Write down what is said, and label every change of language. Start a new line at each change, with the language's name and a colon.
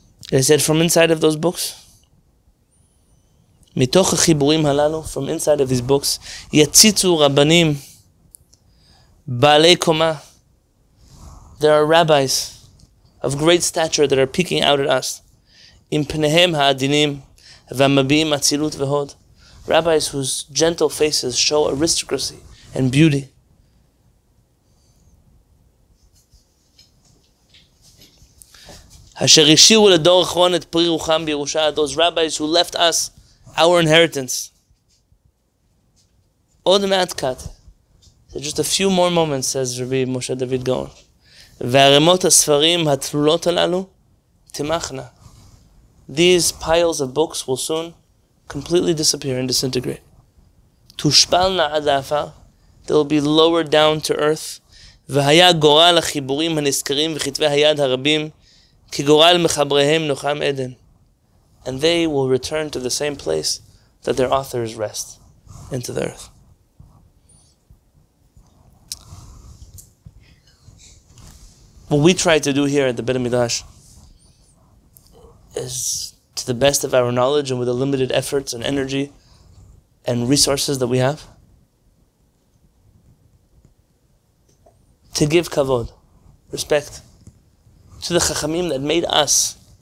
English: They said, from inside of those books,
Hebrew: מתוך החיבורים הללו,
English: from inside of his books,
Hebrew: יציצו רבנים, בעלי קומה.
English: There are rabbis of great stature that are peeking out at us.
Hebrew: עם פניהם העדינים והמביעים אצילות והוד.
English: Rabbis whose gentle faces show aristocracy and beauty.
Hebrew: אשר השאירו לדור אחרון את פרי רוחם בירושה,
English: those rabbis who left us our inheritance.
Hebrew: עוד מעט קט,
English: just a few more moments, says
Hebrew: רבי משה דוד גאון, וערמות הספרים התלולות הללו תמחנה.
English: These piles of books will soon completely disappear and disintegrate.
Hebrew: תושפלנה עד האפר,
English: they will be lowered down to earth,
Hebrew: והיה גורל החיבורים הנזכרים וכתבי היד הרבים, כגורל מחבריהם נוחם עדן.
English: And they will return to the same place that their authors rest, into the earth. What we try to do here at the Bet Midrash is, to the best of our knowledge and with the limited efforts and energy and resources that we have, to give kavod, respect, to the chachamim that made us.